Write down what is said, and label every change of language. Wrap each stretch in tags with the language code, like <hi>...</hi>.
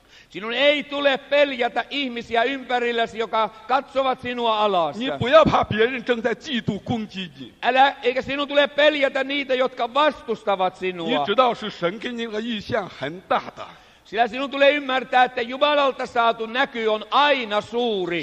<fi>Sinun ei tule peljätä ihmisiä ympärilläsi, joka katsovat sinua alas.</fi> <zh>你不要怕别人正在嫉妒攻击你。</zh> <fi>Eikä sinun tule peljätä niitä, jotka vastustavat sinua.</fi> <zh>你知道是神给你的意象很大的。</zh> <fi>Sillä sinun tulee ymmärtää, että Jumalalta saatu näky on aina suuri.</fi>